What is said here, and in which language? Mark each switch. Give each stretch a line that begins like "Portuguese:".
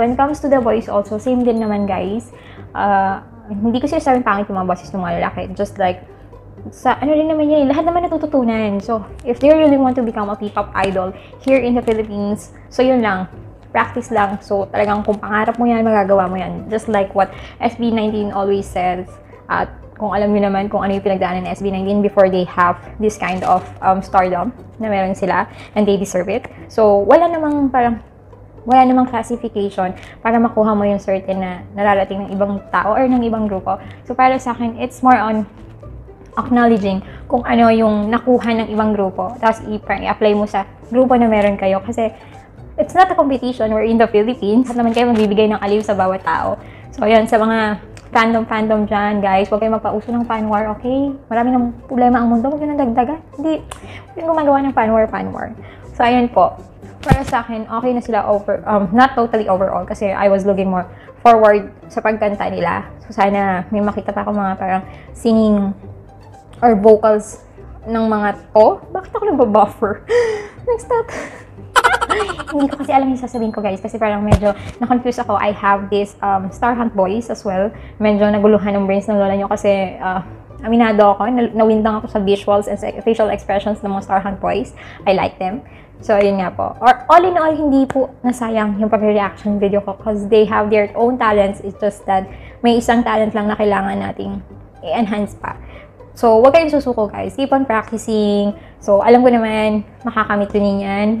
English: When it comes to the voice also, same
Filipino: din naman,
English: guys.
Filipino: Hindi ko sinasabing pangit yung mga boses ng mga lalaki.
English: Just like,
Filipino: sa ano rin naman yun, lahat naman natututunan.
English: So, if they really want to become a P-pop idol here in the Philippines,
Filipino: so yun lang,
English: practice lang.
Filipino: So, talagang kung pangarap mo yan, magagawa mo yan.
English: Just like what SB19 always says,
Filipino: at kung alam nyo naman kung ano yung pinagdaanan ng SB19
English: before they have this kind of stardom
Filipino: na meron sila,
English: and they deserve it.
Filipino: So, wala namang parang, wala namang classification para makuha mo yung certain na nararating ng ibang tao or ng ibang grupo. So, para sa akin,
English: it's more on acknowledging
Filipino: kung ano yung nakuha ng ibang grupo, tapos i-apply mo sa grupo na meron kayo. Kasi
English: it's not a competition, we're in the Philippines.
Filipino: At naman kayo magbibigay ng aliw sa bawat tao. So yun, sa mga fandom dyan, guys, huwag kayo magpauso ng fan war, okay? Marami ng problema ang mundo, huwag yun ang dagdagan. Hindi, huwag yung gumagawa ng fan war. So ayun po, para sa akin, okay na sila over,
English: not totally overall,
Filipino: kasi
English: I was looking more forward
Filipino: sa pagkanta nila. So sana may makita pa ako mga parang singing or vocals ng mga to. Bakit ako nagbabuffer? Next step. Hindi ko kasi alam yung sasabihin ko, guys. Kasi parang medyo na-confuse ako.
English: I have this Star Hunt boys as well.
Filipino: Medyo naguluhan ng brains ng lola nyo.
English: Kasi
Filipino: aminado ako, nawindang ako sa
English: visuals and facial expressions
Filipino: ng mga starhang boys.
English: I like them.
Filipino: So, yun nga po. Or, all in all, hindi po nasayang yung pag-reaction video ko
English: because they have their own talents. It's just that
Filipino: may isang talent lang na kailangan nating i-enhance pa. So, huwag kayong susuko, guys.
English: Keep on practicing.
Filipino: So, alam ko naman, makakamit rin yan.